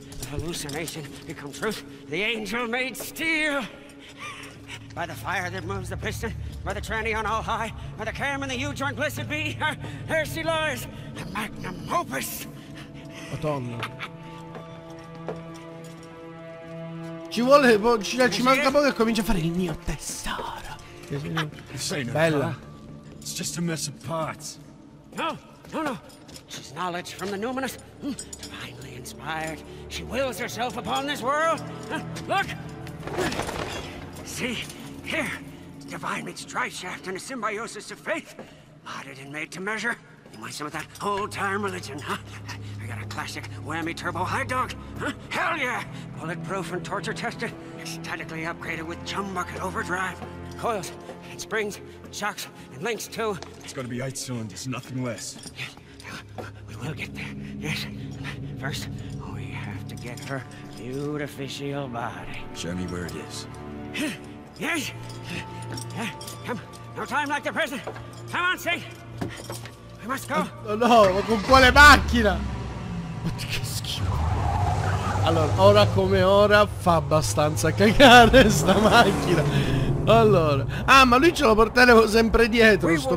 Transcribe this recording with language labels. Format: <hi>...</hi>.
<en>Hallucination become truth. The angel made steel. By the fire that moves the piston, by the tranny on all high, by the cam and the huge joint blessed be, there she lies, the magnum opus.</en> <it>Madonna. Ci vuole, ci manca poco e comincia a fare il mio tesoro.</it> <en>Bella. It's just a mess of parts. No. She's knowledge from the numinous. Divinely inspired. She wills herself upon this world. Look! See? Here. Divine meets driveshaft and a symbiosis of faith. Modded and made to measure. You want some of that old-time religion, huh? I got a classic whammy turbo high dog. Huh? Hell yeah! Bulletproof and torture-tested. Ecstatically upgraded with chum bucket overdrive. Coils and springs and shocks and links, too. It's gonna be eight cylinders, nothing less. We will get there, yes. First, we have to get her beautiful body. Show me where it is. Yes! Come, no time like the present. Come on, see! We must go.</en> <it>Oh no, ma con quale macchina? Che schifo. Allora, ora come ora fa abbastanza cagare sta macchina. Allora, ah, ma lui ce lo porteremo sempre dietro, sto</it>